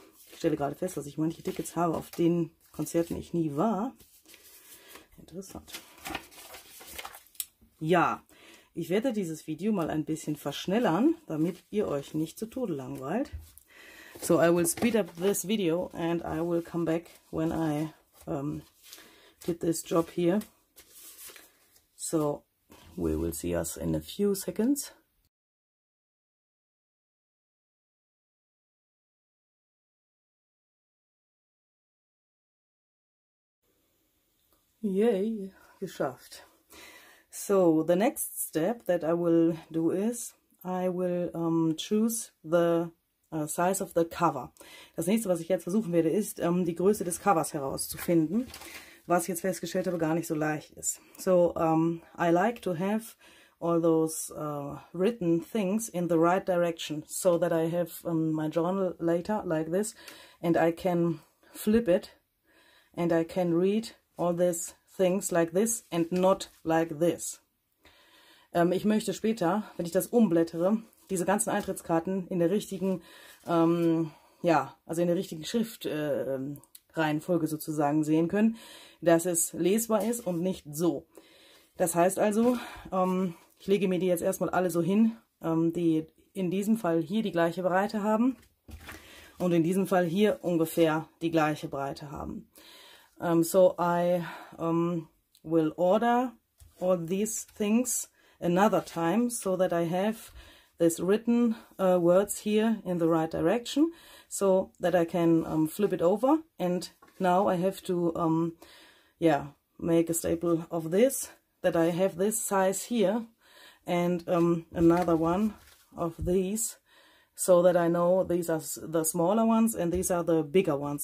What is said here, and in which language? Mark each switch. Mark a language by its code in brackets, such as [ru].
[de] Ich stelle gerade fest, dass ich manche Tickets habe, auf denen Konzerten ich nie war. Interessant. Ja, ich werde dieses Video mal ein bisschen verschnellern, damit ihr euch nicht zu Tode langweilt. [en] So, I will speed up this video and I will come back when I did this job here. So, we will see us in a few seconds. Yay, [de] geschafft. [en] So, the next step that I will do is, I will choose the size of the cover. [de] Das nächste, was ich jetzt versuchen werde, ist, die Größe des Covers herauszufinden, was ich jetzt festgestellt habe, gar nicht so leicht ist. [en] So, I like to have all those written things in the right direction, so that I have my journal later, like this, and I can flip it, and I can read all these things like this and not like this. [de] Ich möchte später, wenn ich das umblättere, diese ganzen Eintrittskarten in der richtigen, also in der richtigen Schriftreihenfolge sozusagen sehen können, dass es lesbar ist und nicht so. Das heißt also, ich lege mir die jetzt erstmal alle so hin, die in diesem Fall hier die gleiche Breite haben und in diesem Fall hier ungefähr die gleiche Breite haben. [en] So I will order all these things another time, so that I have these written words here in the right direction, so that I can flip it over. And now I have to make a staple of this, that I have this size here, and another one of these, so that I know these are the smaller ones and these are the bigger ones.